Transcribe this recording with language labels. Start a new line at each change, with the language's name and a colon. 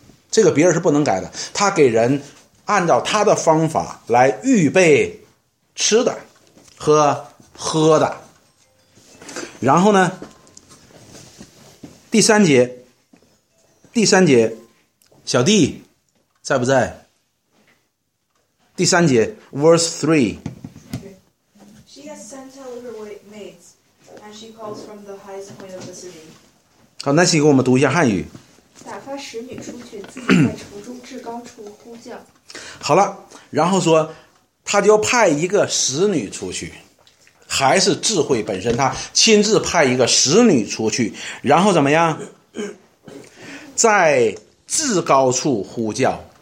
Chinese: 这个别人是不能改的，他给人按照他的方法来预备吃的和喝的。然后呢，第三节小弟在不在？第三节 verse 3。
English: She has sent her little maids and she calls from the highest point of the city。
Chinese: 好，那请给我们读一下汉语。打发使女出去，自己在城中至高处呼叫。好了，然后说他就派一个使女出去，还是智慧本身，他亲自派一个使女出去，然后怎么样，在至高处呼叫。